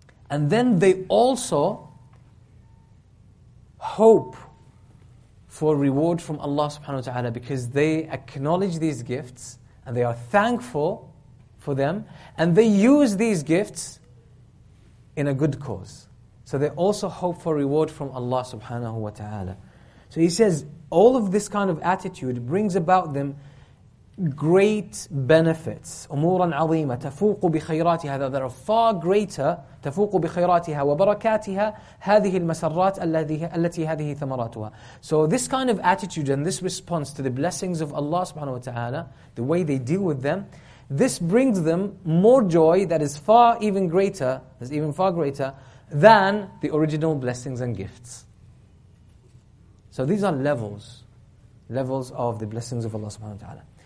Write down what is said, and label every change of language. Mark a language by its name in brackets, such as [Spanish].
[English] And then they also hope for reward from Allah subhanahu wa ta'ala, because they acknowledge these gifts and they are thankful for them and they use these gifts in a good cause. So they also hope for reward from Allah subhanahu wa ta'ala. So he says, all of this kind of attitude brings about them great benefits. [Arabic] أموراً عظيمة تفوق بخيراتها, [English] that are far greater. [Arabic] تفوق بخيراتها وبركاتها هذه المسرات التي هذه ثمراتها. [English] So this kind of attitude and this response to the blessings of Allah subhanahu wa ta'ala, the way they deal with them, this brings them more joy that is far even greater, is even far greater than the original blessings and gifts. So these are levels of the blessings of Allah subhanahu wa ta'ala.